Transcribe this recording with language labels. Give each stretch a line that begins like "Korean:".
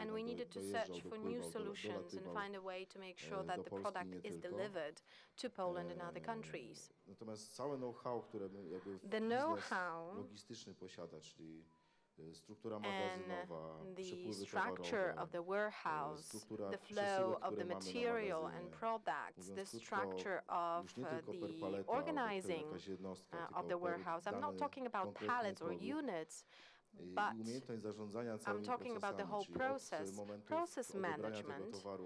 English: and we needed to search for new solutions and find a way to make sure that the product is delivered to Poland and other countries.
Polish: Natomiast całe know-how, które my jakby the know-how logistyczny posiada, czyli struktura magazynowa,
English: the structure of the warehouse, the flow of the material and products, the structure of the organizing of the warehouse. I'm not talking about pallets or units, but I'm talking about the whole process, process management.